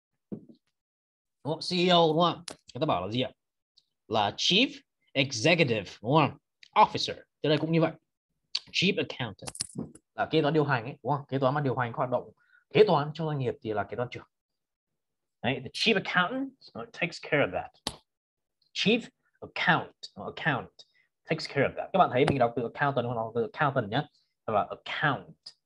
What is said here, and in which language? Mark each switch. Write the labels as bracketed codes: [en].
[vi] Đúng không? CEO, đúng không? Người ta bảo là gì ạ? Là Chief Executive, đúng không? Officer, thế này cũng như vậy. Chief Accountant, là kế toán điều hành, ấy, đúng không? Kế toán mà điều hành hoạt động kế toán cho doanh nghiệp thì là kế toán trưởng. [en] Đấy, the Chief Accountant takes care of that. Chief Account takes care of that. [vi] Các bạn thấy mình đọc từ accountant không? Đọc từ accountant nhé. Hoặc là account.